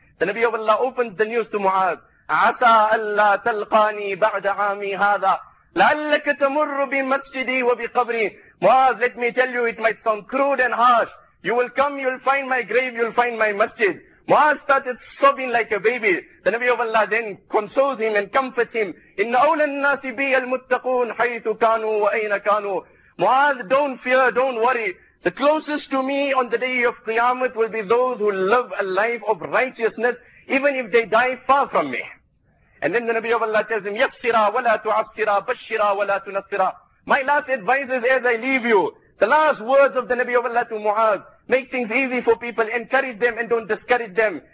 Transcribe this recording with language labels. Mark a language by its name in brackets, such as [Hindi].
[English] The Nabi of Allah opens the news to Muaz. [Arabic] Asa Allah talqani ba'da aami hadha. لَعَلَّكَ تَمُرُّ بِمَسْجِدِي وَبِقَبْرِي [English] Muaz, let me tell you, it might sound crude and harsh. You will come, you will find my grave, you will find my masjid. Muaz started sobbing like a baby. The Nabi of Allah then consoles him and comforts him. [Arabic] إِنَّ أَوْلَى النَّاسِ بِيَ الْمُتَّقُونَ حَيْثُ كَانُوا وَأَيْنَ كَانُوا [English] Muaz, don't fear, don't worry. The closest to me on the day of Qiyamah will be those who live a life of righteousness, even if they die far from me. And then the Nabi of Allah tells him, [Arabic] Yassira wa la tu'assira, bashira wa la tunassira. [English] My last advice is, as I leave you, the last words of the Nabi of Allah to Mu'az, make things easy for people, encourage them and don't discourage them.